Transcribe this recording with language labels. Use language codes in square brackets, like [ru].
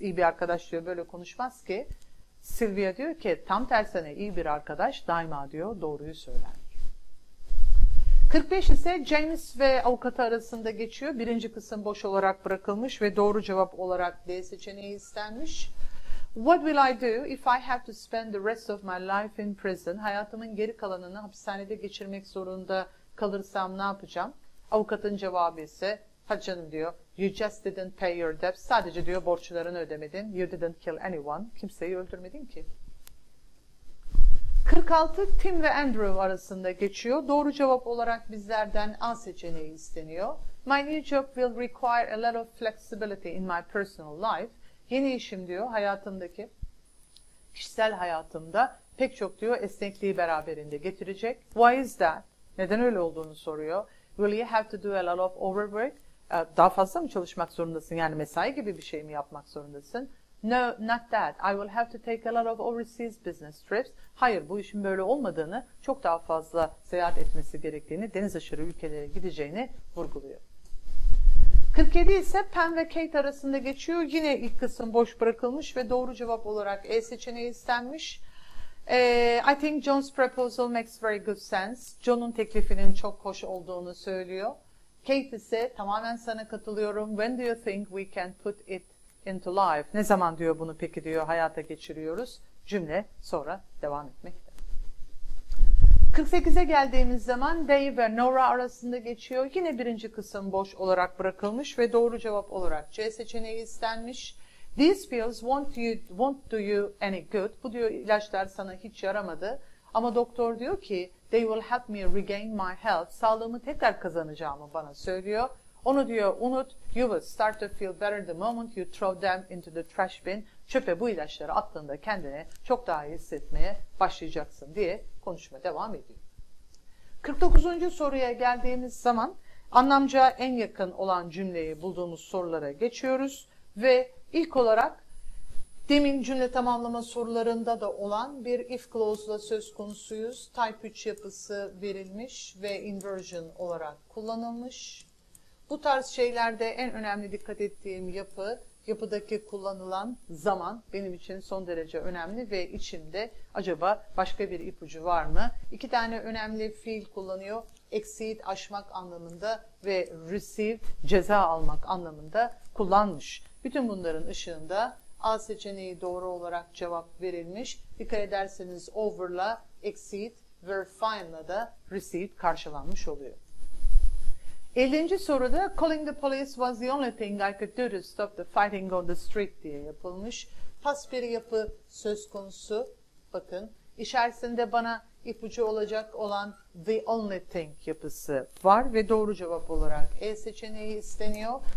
[tr] İyi bir arkadaş diyor böyle konuşmaz ki. Sylvia diyor ki tam tersine iyi bir arkadaş daima diyor doğruyu söyler. 45 ise James ve avukatı arasında geçiyor. Birinci kısım boş olarak bırakılmış ve doğru cevap olarak D seçeneği istenmiş. [en] What will I do if I have to spend the rest of my life in prison? [tr] Hayatımın geri kalanını hapishanede geçirmek zorunda kalırsam ne yapacağım? Avukatın cevabı ise hadi canım diyor. [en] You just didn't pay your debts. [tr] Sadece diyor borçlarını ödemedin. [en] You didn't kill anyone. [tr] Kimseyi öldürmedin ki. 46 Tim ve Andrew arasında geçiyor. Doğru cevap olarak bizlerden A seçeneği isteniyor. [en] My new job will require a lot of flexibility in my personal life. [tr] Yeni işim diyor hayatımdaki, kişisel hayatımda pek çok diyor esnekliği beraberinde getirecek. [en] Why is that? [tr] Neden öyle olduğunu soruyor. [en] Will you have to do a lot of overwork? [tr] Daha fazla mı çalışmak zorundasın? Yani mesai gibi bir şey mi yapmak zorundasın? [en] No, not that. I will have to take a lot of overseas business trips. [tr] Hayır, bu işin böyle olmadığını, çok daha fazla seyahat etmesi gerektiğini, deniz aşırı ülkelere gideceğini vurguluyor. 47 ise Pam ve Kate arasında geçiyor. Yine ilk kısım boş bırakılmış ve doğru cevap olarak E seçeneği istenmiş. [en] I think John's proposal makes very good sense. [tr] John'un teklifinin çok hoş olduğunu söylüyor. [en] Kate [tr] ise tamamen sana katılıyorum. [en] When do you think we can put it into life? [tr] Ne zaman diyor bunu peki diyor hayata geçiriyoruz. Cümle sonra devam etmekte. 48'e geldiğimiz zaman Dave ve Nora arasında geçiyor. Yine birinci kısım boş olarak bırakılmış ve doğru cevap olarak C seçeneği istenmiş. [en] These pills won't do you any good. [tr] Bu diyor ilaçlar sana hiç yaramadı. Ama doktor diyor ki [en] they will help me regain my health. [tr] Sağlığımı tekrar kazanacağımı bana söylüyor. Onu diyor unut. [en] You will start to feel better the moment you throw them into the trash bin. [tr] Çöpe bu ilaçları attığında kendini çok daha iyi hissetmeye başlayacaksın diye konuşma devam ediyor. 49. soruya geldiğimiz zaman anlamca en yakın olan cümleyi bulduğumuz sorulara geçiyoruz. Ve ilk olarak demin cümle tamamlama sorularında da olan bir if clause'la söz konusuyuz. Type 3 yapısı verilmiş ve inversion olarak kullanılmış. Bu tarz şeylerde en önemli dikkat ettiğim yapı, yapıdaki kullanılan zaman benim için son derece önemli ve içinde acaba başka bir ipucu var mı? İki tane önemli fiil kullanıyor. Exceed, aşmak anlamında ve receive, ceza almak anlamında kullanmış. Bütün bunların ışığında A seçeneği doğru olarak cevap verilmiş. Dikkat ederseniz over'la, exceed, verifying'la da received karşılanmış oluyor. 50. soruda [en] calling the police was the only thing I could do to stop the fighting on the street [tr] diye yapılmış. Pas bir yapı söz konusu. Bakın içerisinde bana ipucu olacak olan the only thing yapısı var ve doğru cevap olarak E seçeneği isteniyor.